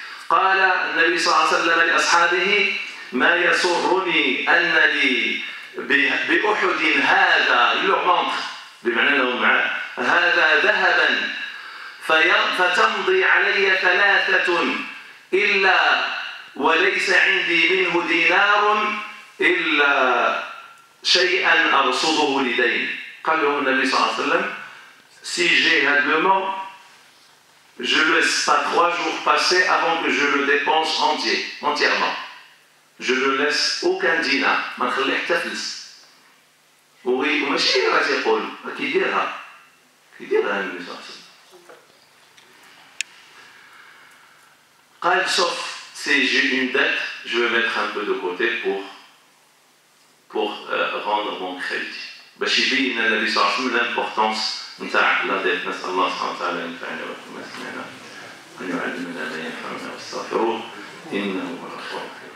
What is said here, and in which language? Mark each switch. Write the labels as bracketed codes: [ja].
[ar] قال النبي صلى الله عليه وسلم لاصحابه ما يسرني انني باحد هذا لو مونتر بمعنى انه معاه هذا ذهبا فتمضي علي ثلاثة إلا وليس عندي منه دينار إلا شيئا أرصده لدين. قال لهم النبي صلى الله عليه وسلم [fr] si j'ai [ar] هذا المال [fr] je ne laisse pas trois jours passer avant que je le dépense entièrement. Je ne laisse aucun dinar. [ar] ما نخلي حتى فلس. وماشي غادي يقول كيديرها كيديرها النبي صلى الله عليه وسلم. [fr] قال sauf si j'ai une dette, je vais mettre un peu de côté pour rendre mon crédit. [ar] باش يبين النبي صلى الله عليه وسلم الامبورتونس نتاع لا ديت. نسال الله سبحانه وتعالى ان ينفعنا وكما سمعنا ان يعلمنا ما ينفعنا ويستغفره انه هو الغفور.